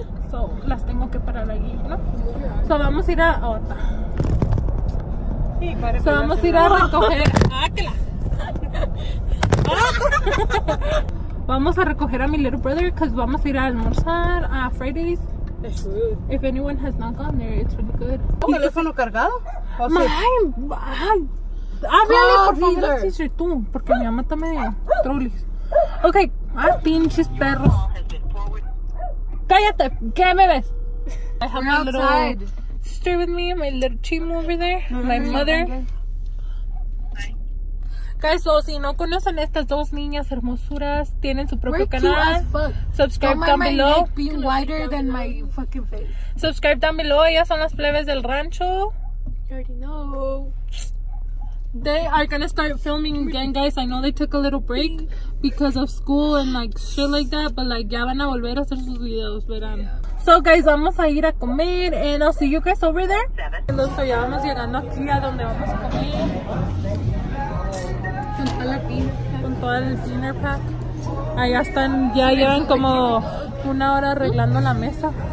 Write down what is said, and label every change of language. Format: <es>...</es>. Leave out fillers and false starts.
<es>So, las tengo que parar ahí, ¿no? So, vamos a ir a otra. So, vamos a ir a recoger. Vamos a recoger a mi</es> <en>little brother because</en> <es>vamos a ir a almorzar a Fridays.</es> <en>If anyone has not gone there, it's really good.</en> <es>¿Tu teléfono cargado? Háblale por favor al teacher tú, porque mi mamá está medio trulis. Ok, pinches perros. Cállate, ¿qué me ves?</es> <en>I have my little sister with me, my little chimo over there, my mother.</en> <es>Guys, so si no conocen estas dos niñas hermosuras, tienen su propio canal.</es> <en>Subscribe down below. Don't mind my neck being wider than my fucking face. Subscribe down below.</en> <es>Ellas son las plebes del rancho.</es> <en>They are gonna start filming again, guys. I know they took a little break because of school and like shit like that, but like</en> <es>ya van a volver a hacer sus videos, verán.</es> <en>Yeah. So guys,</en> <es>vamos a ir a comer</es> <en>and I'll see you guys over there.</en> <es>Entonces, ya vamos llegando aquí a donde vamos a comer. Con toda la</es> <en>dinner pack.</en> <es>Allá están, ya llevan como una hora arreglando la mesa.</es>